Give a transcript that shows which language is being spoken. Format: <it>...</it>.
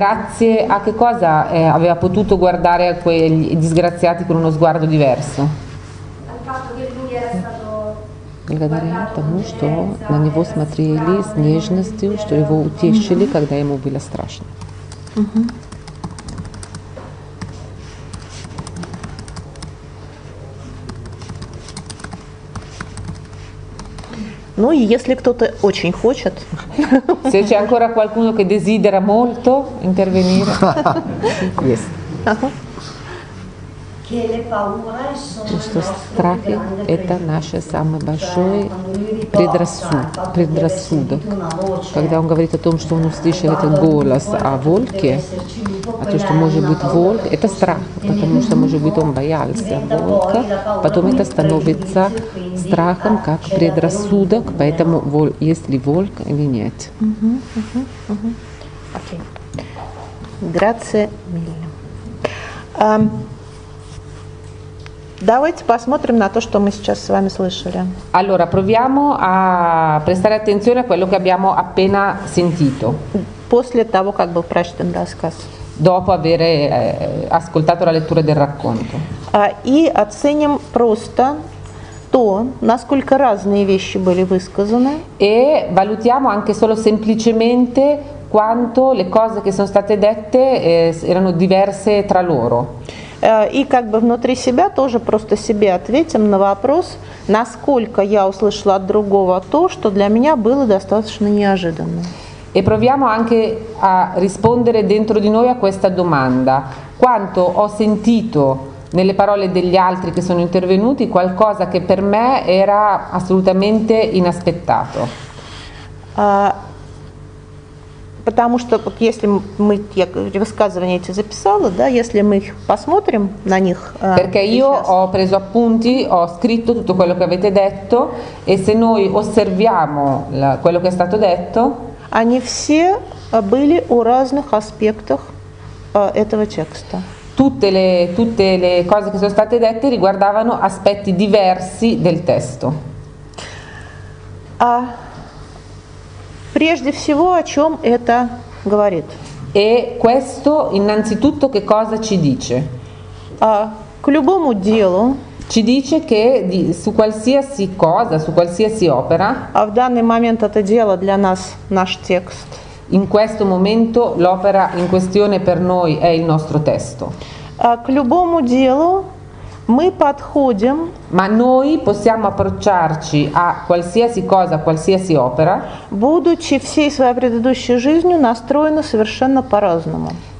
<it>Grazie a che cosa aveva potuto guardare a quei disgraziati con uno sguardo diverso? Al fatto che lui era stato</it> <ru>благодаря тому, что на него смотрели с нежностью, что его утешили, когда ему было страшно. Ну и если кто-то очень хочет.</ru> <it>Se c'è ancora qualcuno che desidera molto intervenire.</it> <en>Yes.</en> <it>Che le paure sono il nostro</it> <ru>страхи</ru> <it>più</it> <ru>это наше самое большое предрассудок. Когда он говорит о том, что он услышал этот голос о волке, а то, что может быть волк, это страх, потому что, может быть, он боялся волка. Потом это становится страхом, как предрассудок, поэтому есть ли волк или нет.</ru> <it>Grazie mille.</it> <ru>Давайте посмотрим на то, что мы сейчас с вами слышали.</ru> <it>Allora, proviamo a prestare attenzione a quello che abbiamo appena sentito.</it> <ru>После того, как был прочитан рассказ.</ru> <it>Dopo aver ascoltato la lettura del racconto.</it> <ru>И оценим просто то, насколько разные вещи были высказаны.</ru> <it>E valutiamo anche solo semplicemente quanto le cose che sono state dette erano diverse tra loro.</it> <ru>И как бы внутри себя тоже просто себе ответим на вопрос, насколько я услышала от другого то, что для меня было достаточно неожиданно.</ru> <it>E proviamo anche a rispondere dentro di noi a questa domanda. Quanto ho sentito nelle parole degli altri che sono intervenuti qualcosa che per me era assolutamente inaspettato.</it> <ru>Потому что вот если мы я высказывания эти записала, да, если мы их посмотрим на них.</ru> <it>Perché io ho preso appunti, ho scritto tutto quello che avete detto e se noi osserviamo quello che è stato detto,</it> <ru>они все были у разных аспектах этого текста.</ru> <it>Tutte le cose che sono state dette riguardavano aspetti diversi del testo.</it> <ru>Прежде всего, о чем это говорит?</ru> <it>E questo innanzitutto che cosa ci dice?</it> <ru>К любому делу.</ru> <it>Ci dice che su qualsiasi cosa, su qualsiasi opera.</it> <ru>А в данный момент это дело для нас наш текст.</ru> <it>In questo momento l'opera in questione per noi è il nostro testo.</it> <ru>К любому делу мы подходим.</ru> <it>Ma noi possiamo approcciarci a qualsiasi cosa, a qualsiasi opera.</it> <ru>Будучи всей своей предыдущей жизнью настроены совершенно по-разному.</ru>